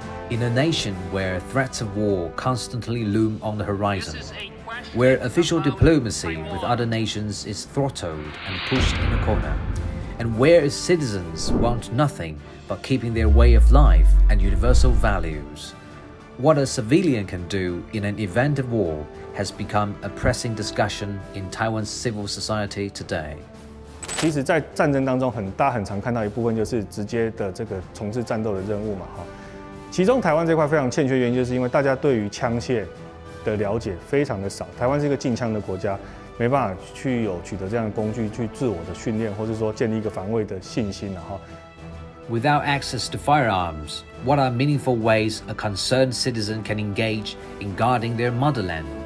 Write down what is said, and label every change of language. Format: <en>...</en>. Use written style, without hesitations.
<en>In a nation where threats of war constantly loom on the horizon, where official diplomacy with other nations is throttled and pushed in a corner, and where citizens want nothing but keeping their way of life and universal values, what a civilian can do in an event of war has become a pressing discussion in Taiwan's civil society today.</en> <zh>其实，在战争当中，大家很常看到一部分就是直接的这个从事战斗的任务嘛，哈。其中台湾这块非常欠缺，原因就是因为大家对于枪械的了解非常的少。台湾是一个禁枪的国家，没办法去有取得这样的工具去自我的训练，或是说建立一个防卫的信心，然后。</zh> <en>Without access to firearms, what are meaningful ways a concerned citizen can engage in guarding their motherland?</en>